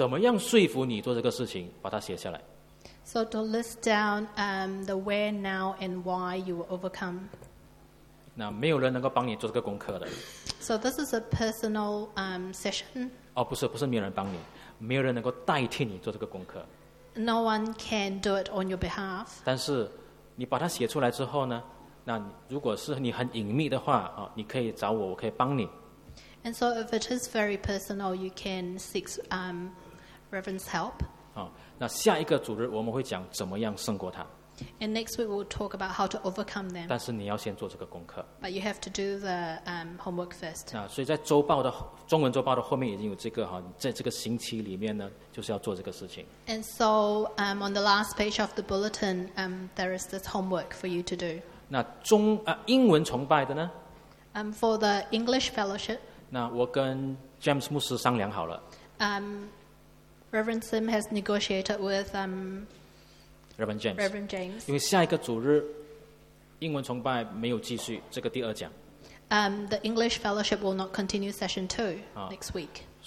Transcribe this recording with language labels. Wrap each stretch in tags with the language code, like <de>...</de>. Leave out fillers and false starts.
<zh>他用什么样的，在什么地点，他在什么样的情况，他在通常在一个星期的哪一天，你做完什么事情的时候，谁在的时候，谁不在的时候，你在做什么的时候，为什么你那时候会这样子觉得这样子做很有理，等等等等，他怎么样说服你做这个事情，把它写下来。</zh> <en>So to list down the where, now, and why you were overcome.</en> <zh>那没有人能够帮你做这个功课的。</zh> <en>So this is a personal session.</en> <zh>哦，不是，不是没有人帮你，没有人能够代替你做这个功课。</zh> <en>No one can do it on your behalf.</en> <zh>但是你把它写出来之后呢，那如果是你很隐秘的话，你可以找我，我可以帮你。</zh> <en>And so if it is very personal, you can seek Reverend's help.</en> <zh>那下一个主日我们会讲怎么样胜过它。</zh> <en>And next week we'll talk about how to overcome them.</en> <zh>但是你要先做这个功课。</zh> <en>But you have to do the homework first.</en> <zh>所以在周报的中文周报的后面已经有这个，在这个星期里面呢，就是要做这个事情。</zh> <en>And so on the last page of the bulletin, there is this homework for you to do.</en> <zh>那英文崇拜的呢？</zh> <en>For the English fellowship.</en> <zh>那我跟 James 牧师商量好了。</zh> <en>Reverend Sim has negotiated with Reverend James. Reverend James.</en> <zh>因为下一个主日英文崇拜没有继续，这个第二讲。</zh> <en>The English fellowship will not continue session 2 next week.</en>